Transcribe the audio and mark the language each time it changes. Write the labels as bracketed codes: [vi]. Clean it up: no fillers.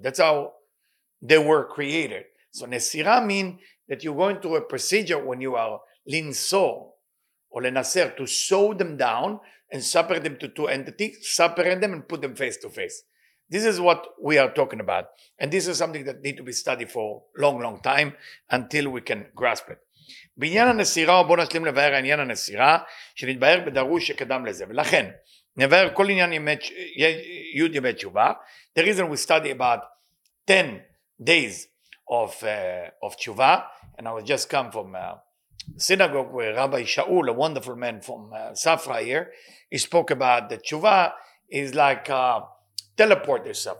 [en] That's how they were created. So nesira means that you're going through a procedure when you are linsor or lenaser, to sew them down and separate them to two entities, separate them and put them face to face. This is what we are talking about. And this is something that needs to be studied for a long, long time until we can grasp it. [he] בעניין הנסירה, בוא נשלים לבאר העניין הנסירה, שנתבאר בדרוש שקדם לזה. ולכן, נבאר כל עניין יוד ימי תשובה. [en] The reason we study about 10 days of תשובה, and I was just come from synagogue where Rabbi Sha'ul, a wonderful man from Safra here, he spoke about the tshuva is like teleport yourself.